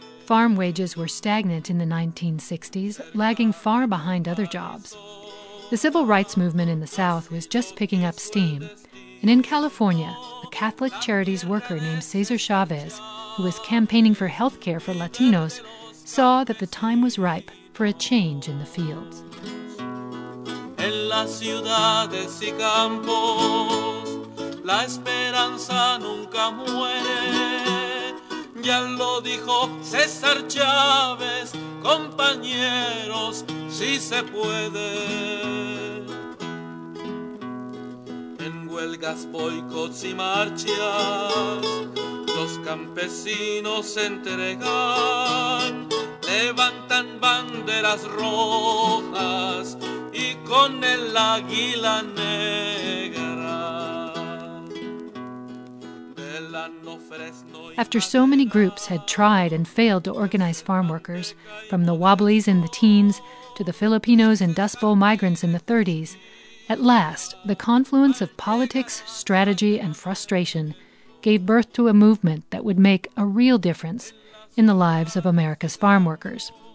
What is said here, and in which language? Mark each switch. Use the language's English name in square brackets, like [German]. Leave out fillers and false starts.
[English] Farm wages were stagnant in the 1960s, lagging far behind other jobs. The civil rights movement in the South was just picking up steam. And in California, a Catholic Charities worker named Cesar Chavez, who was campaigning for health care for Latinos, saw that the time was ripe for a change in the fields. [Spanish] En las ciudades y campos, la esperanza nunca muere. Ya lo dijo César Chávez, compañeros, si se puede. En huelgas, boicots y marchas, los campesinos se entregan. Levantan banderas rojas y con el águila negra de la no fresno. [English] After so many groups had tried and failed to organize farm workers, from the Wobblies in the teens to the Filipinos and Dust Bowl migrants in the 30s, at last the confluence of politics, strategy, and frustration gave birth to a movement that would make a real difference in the lives of America's farm workers.